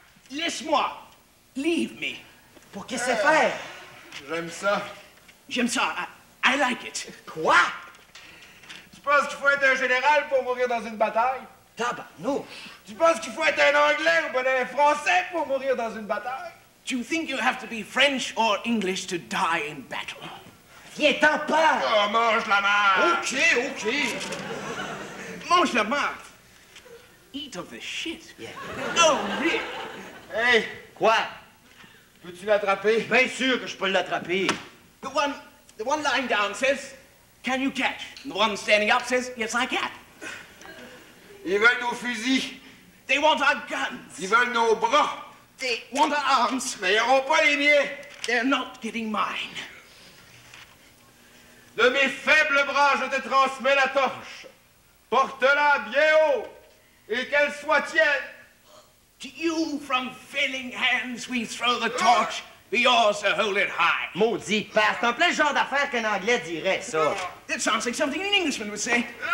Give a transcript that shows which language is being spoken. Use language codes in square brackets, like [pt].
[fr] Laisse-moi. [en] Leave me. [fr] Pour qu'est-ce que faire? J'aime ça. J'aime ça. [en] I like it. [fr] Quoi? Tu penses qu'il faut être un général pour mourir dans une bataille? Tabarnouche. Tu penses qu'il faut être un Anglais ou un Français pour mourir dans une bataille? [en] Do you think you have to be French or English to die in battle? [fr] Viens t'en pas! Oh, mange la marde! OK, OK. Mange la marde. [en] Eat of the shit. Yeah. [fr] Oh, oui. [en] Hey! [fr] Quoi? Peux-tu l'attraper? Bien sûr que je peux l'attraper. [en] The one lying down says, can you catch? And the one standing up says, yes, I can. [fr] Ils veulent nos fusils. [en] They want our guns. [fr] Ils veulent nos bras. [en] They want our arms. [fr] Mais ils n'auront pas les miens. [en] They're not getting mine. [fr] De mes faibles bras, je te transmets la torche. Porte-la bien haut, et qu'elle soit tienne. [en] To you, from failing hands, we throw the torch. Be yours to hold it high. [fr] Maudit père, c'est un plein genre d'affaire qu'un Anglais dirait, ça. [en] That sounds like something an Englishman would say.